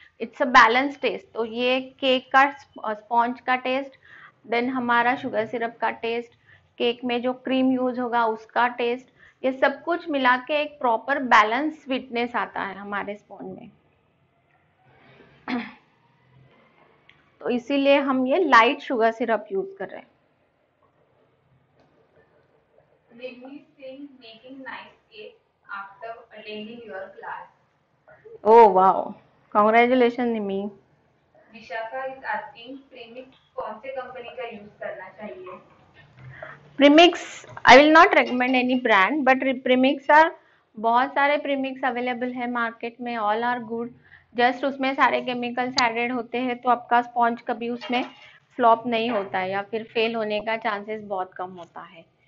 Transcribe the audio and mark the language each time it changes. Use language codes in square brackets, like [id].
[en] It's a balance taste. [hi] तो ये cake का स्पॉन्ज का टेस्ट, देन हमारा शुगर सिरप का टेस्ट, केक में जो क्रीम यूज होगा उसका टेस्ट, ये सब कुछ मिला के एक प्रॉपर बैलेंस स्वीटनेस आता है हमारे स्पॉन्ज में। तो इसीलिए हम ये लाइट शुगर सिरप यूज कर रहे हैं। [en] Lily Singh making nice cake after attending your class. [hi] ओ वाह, congratulation Nimi. प्रेमिक Vishakha is asking premix कौन से कंपनी का यूज करना चाहिए? [en] I will not recommend any brand, [hi] but premix are बहुत सारे प्रेमिक्स अवेलेबल है मार्केट में, ऑल आर गुड, जस्ट उसमें सारे केमिकल्स एडेड होते हैं तो आपका स्पॉन्ज कभी उसमें फ्लॉप नहीं होता है, या फिर फेल होने का चांसेस बहुत कम होता है।